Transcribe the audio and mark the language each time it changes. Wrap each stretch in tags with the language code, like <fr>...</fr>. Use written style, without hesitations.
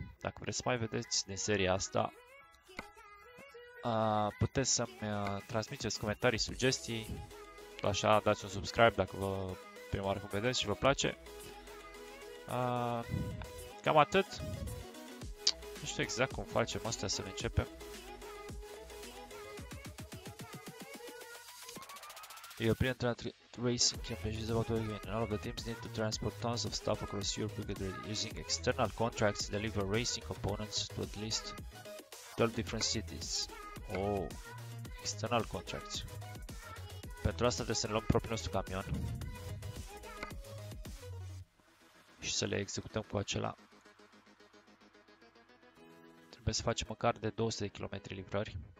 <ro>Dacă vreți să mai vedeți din seria asta, puteți să-mi transmiteți comentarii, sugestii. Așa, dați un subscribe dacă vă prima oară vedeți și vă place. Cam atât. Nu știu exact cum facem asta, să începem.</ro> <en>European Racing Championship is about to begin, and all of the teams need to transport tons of stuff across Europe using external contracts to deliver racing components to at least 12 different cities. Oh, external contracts.</en> <ro>Pentru asta trebuie să ne luăm propriul nostru camion și să le executăm cu acela. Trebuie să facem măcar de 200 de kilometri livrări.</ro>